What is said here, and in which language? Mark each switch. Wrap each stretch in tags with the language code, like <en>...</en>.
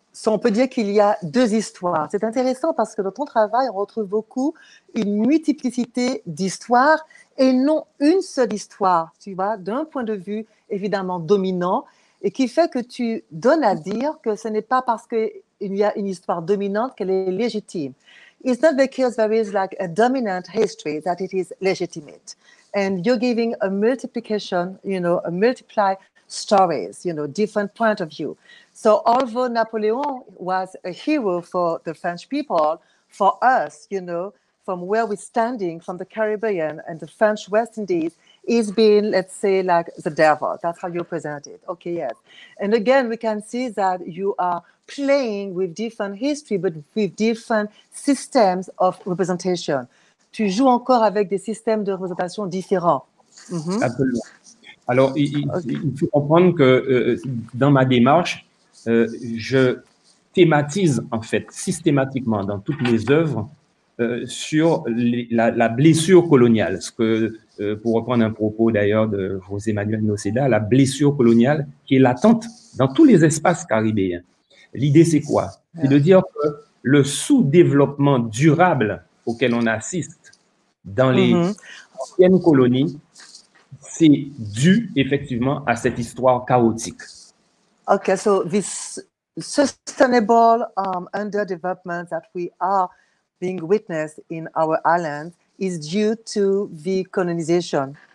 <fr>On peut dire qu'il y a deux histoires. C'est intéressant parce que dans ton travail, on retrouve beaucoup une multiplicité d'histoires et non une seule histoire, tu vois, d'un point de vue évidemment dominant, et qui fait que tu donnes à dire que ce n'est pas parce qu'il y a une histoire dominante qu'elle est légitime.</fr> <en>It's not because there is like a dominant history that it is legitimate. And you're giving a multiplication, a multiply stories, different point of view. So although Napoleon was a hero for the French people, for us, from where we're standing, from the Caribbean and the French West Indies, he's been, let's say, like the devil. That's how you present it. Okay, yes. And again, we can see that you are playing with different history, but with different systems of representation.</en> <fr>Tu joues encore avec des systèmes de représentation différents. Absolument. Alors, il faut comprendre que dans ma démarche, je thématise en fait systématiquement dans toutes mes œuvres sur la blessure coloniale. Ce que, pour reprendre un propos d'ailleurs de José Manuel Noseda, la blessure coloniale qui est latente dans tous les espaces caribéens. L'idée, c'est quoi? C'est de dire que le sous-développement durable auquel on assiste dans les anciennes colonies, c'est dû effectivement à cette histoire chaotique.</fr> <en>Okay, so this sustainable underdevelopment that we are being witness in our island is due to the colonization.</en>